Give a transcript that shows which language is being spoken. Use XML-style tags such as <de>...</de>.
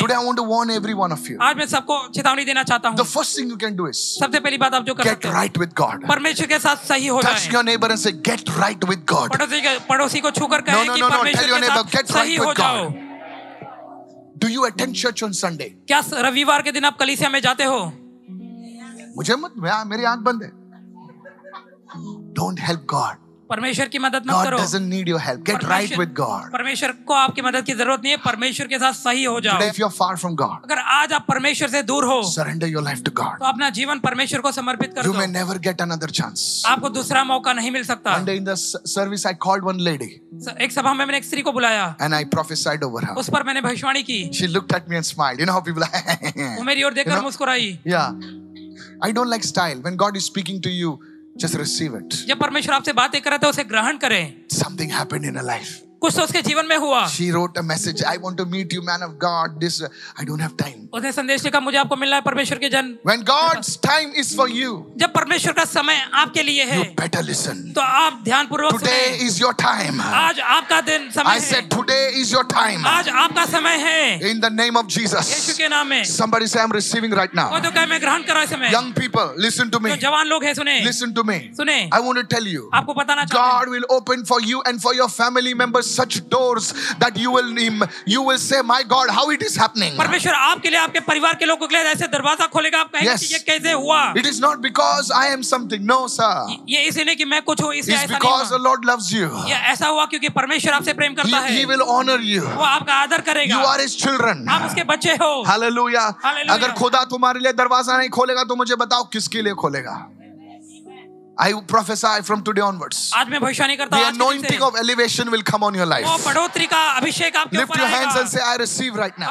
<en>Today I want to warn every one of you.</en> <hi>आज मैं सबको चेतावनी देना चाहता हूँ.</hi> <en>The first thing you can do is.</en> <hi>सबसे पहली बात आप जो कर सकते हैं.</hi> <en>Get right with God.</en> <hi>परमेश्वर के साथ सही हो जाएं.</hi> <en>Touch your neighbor and say, get right with God.</en> <hi>पड़ोसी को छूकर कहें कि परमेश्वर के साथ सही हो जाओ.</hi> <en>Do you attend church on Sunday?</en> <hi>क्या रविवार के दिन आप कलीसिया में जाते हो? मुझे मत, मेरी आंख बंद है.</hi> <en>Don't help God.</en> <hi>परमेश्वर की मदद</hi> <en>God</en> <hi>मत करो.</hi> <en>God doesn't need your help. Get right with God.</en> <hi>परमेश्वर को आपकी मदद की जरूरत नहीं है. परमेश्वर के साथ सही हो जाओ.</hi> <en>Today if you're far from God.</en> <hi>अगर आज आप परमेश्वर से दूर हो.</hi> <en>Surrender your life to God.</en> <hi>तो अपना जीवन परमेश्वर को समर्पित कर</hi> <en>you</en> <hi>दो.</hi> <en>You may never get another chance.</en> <hi>आपको दूसरा मौका नहीं मिल सकता.</hi> <en>One day in the service I called one lady.</en> <hi>एक सभा में मैंने एक स्त्री को बुलाया.</hi> <en>And I prophesied over her.</en> <hi>उस पर मैंने भविष्यवाणी की.</hi> <en>She looked at me and smiled. You know how people are.</en> <hi>वो मेरी ओर देखकर मुस्कुराई.</hi> <en>Yeah. I don't like style. When God is speaking to you, Just receive it.</en> <hi>जब परमेश्वर आपसे बातें कर रहा था, उसे ग्रहण करें.</hi> <en>Something happened in her life.</en> <hi>कुछ तो उसके जीवन में हुआ.</hi> <en>She wrote a message. I want to meet you, man of God. This I don't have time.</en> <hi>उसने संदेश लिखा, मुझे आपको मिलना है परमेश्वर के जन.</hi> <en>When God's time is for you.</en> <hi>जब परमेश्वर का समय आपके लिए है.</hi> <en>You better listen.</en> <hi>तो आप ध्यान पूर्वक सुनें.</hi> <en>Today is your time.</en> <hi>आज आपका दिन समय है.</hi> <en>I said today is your time.</en> <hi>आज आपका समय है.</hi> <en>In the name of Jesus.</en> <hi>यीशु के नाम में.</hi> <en>Somebody say I'm receiving right now.</en> <hi>कोई तो कहे मैं ग्रहण कर रहा हूं समय.</hi> <en>Young people, listen to me.</en> <hi>जो जवान लोग हैं सुने.</hi> <en>Listen to me.</en> <hi>सुने.</hi> <en>I want to tell you.</en> <hi>आपको बताना चाहता हूं.</hi> <en>God will open for you and for your family members. Such doors that you will say, my God, how it is happening?</en> <hi>परमेश्वर आपके लिए, आपके परिवार के लोगों के लिए ऐसे दरवाजा खोलेगा, आप कहेंगे कि ये कैसे हुआ?</hi> <en>It is not because I am something, no sir.</en> <hi>ये इसलिए नहीं कि मैं कुछ हूँ, इसलिए ऐसा नहीं हुआ.</hi> <en>It's because the Lord loves you.</en> <hi>ये ऐसा हुआ क्योंकि परमेश्वर आपसे प्रेम करता है.</hi> <en>He will honor you.</en> <hi>वो आपका आदर करेगा.</hi> <en>You are His children.</en> <hi>आप उसके बच्चे हो.</hi> <en>Hallelujah. Hallelujah.</en> <hi>अगर खुदा तुम्हारे लिए दरवाजा नहीं खोलेगा तो मुझे बताओ किसके लिए खोलेगा?</hi> <en>I prophesy from today onwards.</en> <hi>आज मैं भविष्यवाणी करता हूं.</hi> <en>The anointing of elevation will come on your life.</en> <hi>वो पढ़ोतरी का अभिषेक आपके ऊपर आएगा.</hi> <en>Lift your hands and say, I receive right now.</en>